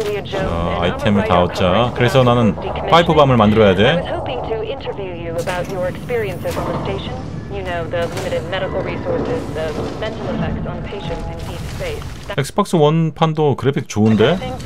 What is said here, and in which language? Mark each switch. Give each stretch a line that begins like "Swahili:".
Korean: 자, 아이템을 다 얻자. 그래서 나는 파이프 밤을 만들어야 돼.
English: About your experiences on the station. You know, the limited medical resources, the mental effects on patients in deep space.
Korean: 엑스박스 원판도 그래픽 좋은데?